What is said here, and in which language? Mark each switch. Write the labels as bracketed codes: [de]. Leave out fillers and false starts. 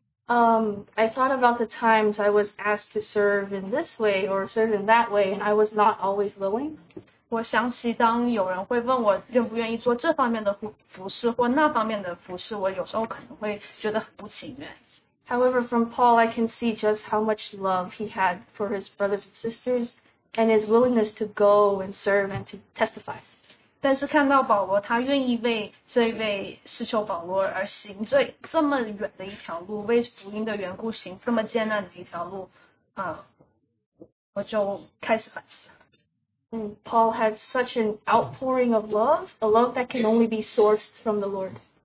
[en] I thought about the times I was asked to serve in this way or serve in that way, and I was not always willing. [zh] 我想起当有人会问我愿不愿意做这方面的服侍或那方面的服侍，我有时候可能会觉得很不情愿。 [en] However, from Paul, I can see just how much love he had for his brothers and sisters and his willingness to go and serve and to testify. [zh] 但是看到保罗他愿意为这位使徒保罗而行这么远的一条路为福音的缘故行这么艰难的一条路 [en] Paul had such an outpouring of love, a love that can only be sourced from the Lord.